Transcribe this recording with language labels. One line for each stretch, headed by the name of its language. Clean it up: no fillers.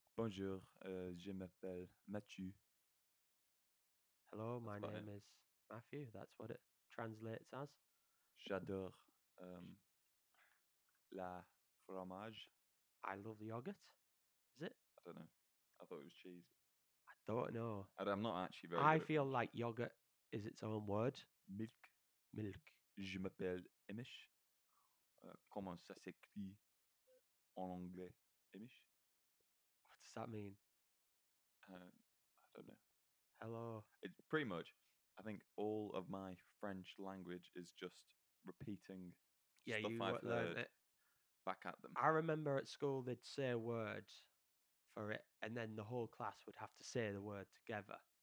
French: Bonjour, je m'appelle Mathieu.
English: Hello, my name is Matthew. That's what it translates as.
French: J'adore la fromage.
English: I love the yogurt. Is it? I don't know. I thought it was cheese. I don't don't know. I'm not actually very I feel French. Like yogurt is its own word. Milk. Milk.
French: Je m'appelle Emish. Comment ça s'écrit en anglais, Emish?
English: What does that mean? I don't know. Hello. It's pretty much, I think all of my French language is just repeating stuff I've heard it. Back at them. I remember at school they'd say a word for it, and then the whole class would have to say the word together.